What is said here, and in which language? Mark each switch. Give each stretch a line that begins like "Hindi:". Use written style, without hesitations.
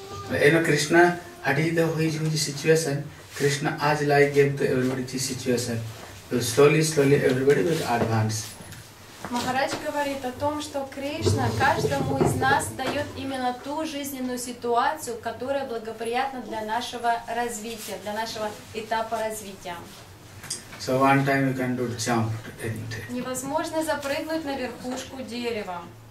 English: You know, Krishna, how did the whole situation? Krishna, as like gave to everybody this situation. So slowly, slowly, everybody will advance.
Russian: Махарадж говорит о том, что Кришна каждому из нас дает именно ту жизненную ситуацию, которая благоприятна для нашего развития, для нашего этапа развития.
English: So one time you can do jump to anything.
Russian: Невозможно запрыгнуть на верхушку дерева.